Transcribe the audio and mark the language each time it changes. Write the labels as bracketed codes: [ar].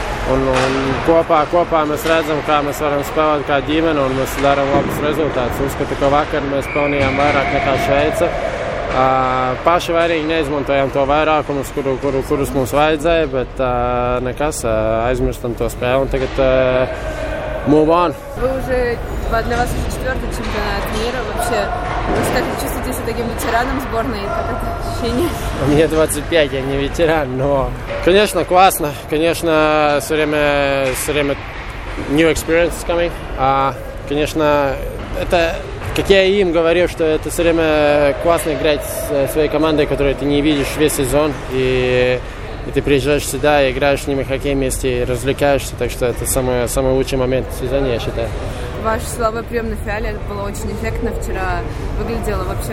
[lv] Un kopā mēs redzam, kā mēs varam spēlēt kā ģimene, un mēs darām labus rezultātus. Uzskatu, ka vakar mēs pelnījām vairāk nekā Šveica. Paši vairīgi neizmantojām to vairākumus, kurus mums vajadzēja, bet nekas, aizmirstam to spēli. Un tagad [en] move on. [ru] Для вас уже четвертый чемпионат мира вообще. Вы как вы чувствуете себя таким ветераном сборной? Как это ощущение? Мне 25, я не ветеран, но... Конечно, классно. Конечно, все время [en] new experience is coming. [ru] Конечно, это... Как я им говорил, что это все время классно играть с своей командой, которую ты не видишь весь сезон. И ты приезжаешь сюда, и играешь с ними хоккей вместе, и развлекаешься. Так что это самый лучший момент в сезоне, я считаю. Ваш слабый прием на фиале было очень эффектно вчера. Выглядело вообще.